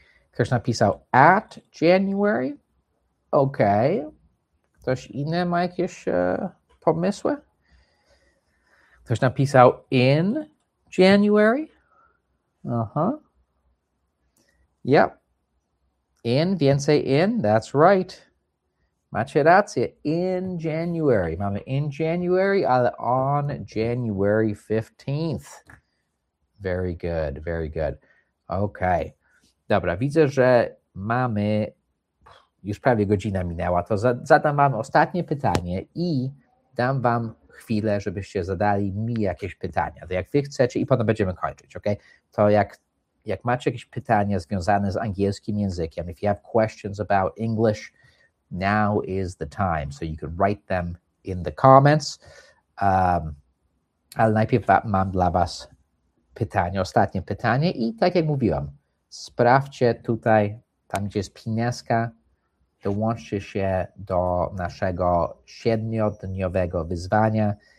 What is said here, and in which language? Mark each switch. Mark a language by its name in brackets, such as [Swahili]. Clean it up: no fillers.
[Polish] Ktoś napisał [English] at January? [Polish] Okay. Ktoś inny ma jakieś pomysły? Ktoś napisał [English] in January? Uh-huh. Yep. In, [Polish] więcej [English] in, that's right. [Polish] Macie rację, [English] in January. [Polish] Mamy [English] in January, [Polish] ale [English] on January 15th. Very good, very good. Okay. [Polish] Dobra, widzę, że mamy, już prawie godzina minęła, to zadam wam ostatnie pytanie i dam wam chwilę, żebyście zadali mi jakieś pytania. To jak wy chcecie i potem będziemy kończyć, okay? To jak macie jakieś pytania związane z angielskim językiem, [English] if you have questions about English, now is the time. So you can write them in the comments. [Polish] Ale najpierw mam dla was pytanie, ostatnie pytanie. I tak jak mówiłem, sprawdźcie tutaj, tam gdzie jest pineska, dołączcie się do naszego 7-dniowego wyzwania.